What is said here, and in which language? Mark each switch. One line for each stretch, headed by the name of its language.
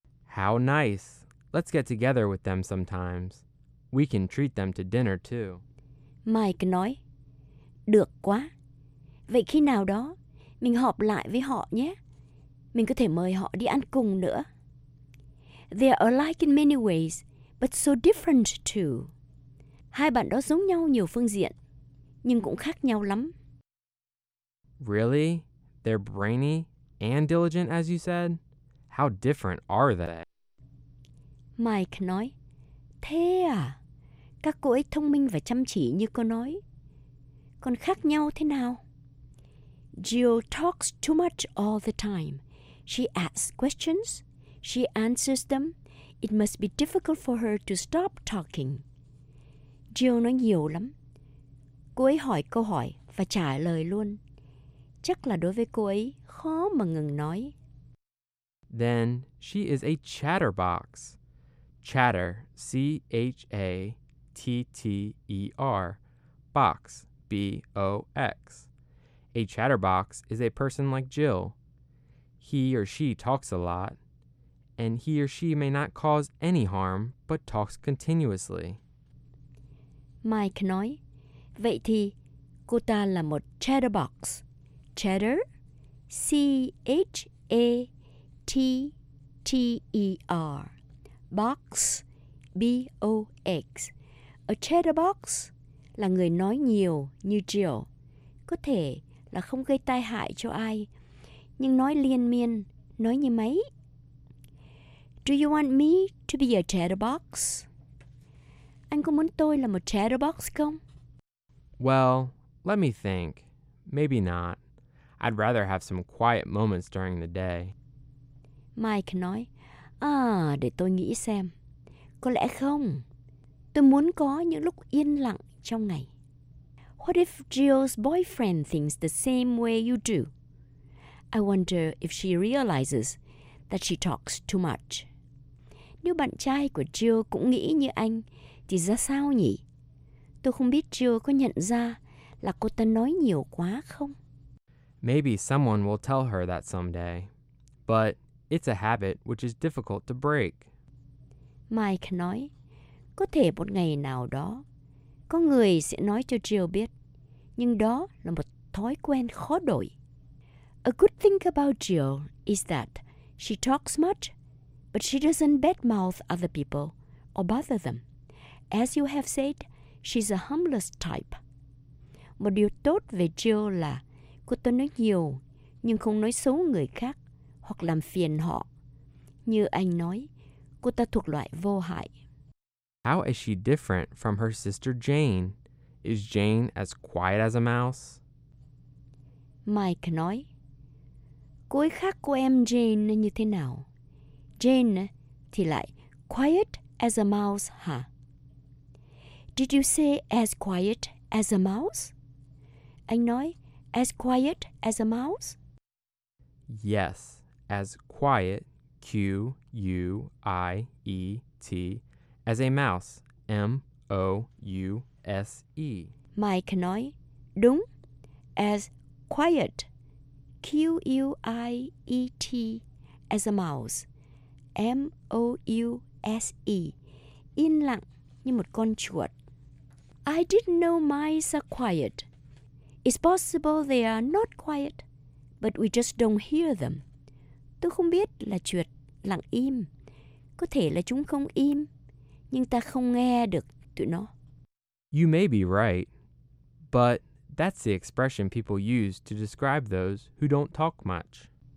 English: How nice. Let's get together with them sometimes. We can treat them to dinner too.
Vietnamese: Mike nói, được quá. Vậy khi nào đó, mình họp lại với họ nhé. Mình có thể mời họ đi ăn cùng nữa.
English: They are alike in many ways, but so different too.
Vietnamese: Hai bạn đó giống nhau nhiều phương diện, nhưng cũng khác nhau lắm.
English: Really? They're brainy and diligent, as you said? How different are they?
Vietnamese: Mike nói, thế à? Các cô ấy thông minh và chăm chỉ như cô nói. Còn khác nhau thế nào?
English: Jill talks too much all the time. She asks questions. She answers them. It must be difficult for her to stop talking.
Vietnamese: Jill nói nhiều lắm. Cô ấy hỏi câu hỏi và trả lời luôn. Chắc là đối với cô ấy khó mà ngừng nói.
English: Then she is a chatterbox. Chatter, C-H-A-T-T-E-R. Box, B-O-X. A chatterbox is a person like Jill. He or she talks a lot, and he or she may not cause any harm, but talks continuously.
Vietnamese: Mike nói, vậy thì cô ta là một chatterbox.
English: Chatter, C-H-A-T-T-E-R. Box, B-O-X. A chatterbox
Vietnamese: là người nói nhiều như Jill. Có thể là không gây tai hại cho ai, nhưng nói liên miên, nói như máy.
English: Do you want me to be a chatterbox?
Vietnamese: Anh có muốn tôi là một chatterbox không?
English: Well, let me think. Maybe not. I'd rather have some quiet moments during the day.
Vietnamese: Mike nói, để tôi nghĩ xem. Có lẽ không. Tôi muốn có những lúc yên lặng trong ngày.
English: What if Jill's boyfriend thinks the same way you do? I wonder if she realizes that she talks too much.
Vietnamese: Nếu bạn trai của Jill cũng nghĩ như anh, thì ra sao nhỉ? Tôi không biết Jill có nhận ra là cô ta nói nhiều quá không?
English: Maybe someone will tell her that someday. But it's a habit which is difficult to break.
Vietnamese: Mike nói, có thể một ngày nào đó, có người sẽ nói cho Jill biết, nhưng đó là một thói quen khó đổi.
English: A good thing about Jill is that she talks much, but she doesn't badmouth other people or bother them. As you have said, she's a humblest type.
Vietnamese: Một điều tốt về Jill là cô ta nói nhiều, nhưng không nói xấu người khác hoặc làm phiền họ. Như anh nói, cô ta thuộc loại vô hại.
English: How is she different from her sister Jane? Is Jane as quiet as a mouse?
Vietnamese: Mike nói, cô ấy khác cô em Jane như thế nào?
English: Jane
Vietnamese: thì lại
English: quiet as a mouse,
Vietnamese: hả?
English: Did you say as quiet as a mouse? Anh nói, as quiet as a mouse? Yes, as quiet, Q-U-I-E-T, as a mouse, M-O-U-S-E.
Vietnamese: Mike nói, đúng,
English: as quiet, Q-U-I-E-T, as a mouse, M-O-U-S-E,
Vietnamese: yên lặng như một con chuột.
English: I didn't know mice are quiet. It's possible they are not quiet, but we just don't hear them.
Vietnamese: Tôi không biết là chuột lặng im. Có thể là chúng không im, nhưng ta không nghe được tụi nó.
English: You may be right, but that's the expression people use to describe those who don't talk much.